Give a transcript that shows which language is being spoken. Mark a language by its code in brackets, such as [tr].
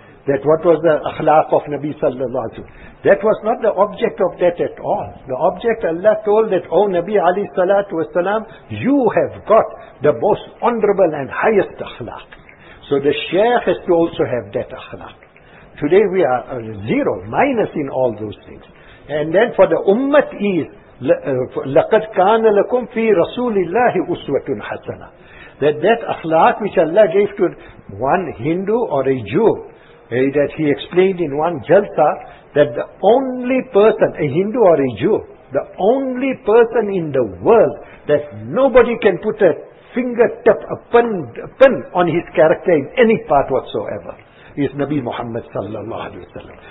[en] That what was the akhlaq of Nabi Sallallahu Alaihi Wasallam. That was not the object of that at all. The object Allah told that, O Nabi Alayhi Salatu Wasalam, you have got the most honorable and highest akhlaq. So the shaykh has to also have that akhlaq. Today we are zero, minus in all those things. [ar] And then for the ummah is, لَقَدْ كَانَ لَكُمْ فِي رَسُولِ اللَّهِ أُسْوَةٌ حَسَنًا. [en] That akhlaq which Allah gave to one Hindu or a Jew, that he explained in one jalsa, that the only person, a Hindu or a Jew, the only person in the world that nobody can put a fingertip, a pin on his character in any part whatsoever, is Nabi Muhammad sallallahu alaihi wasallam.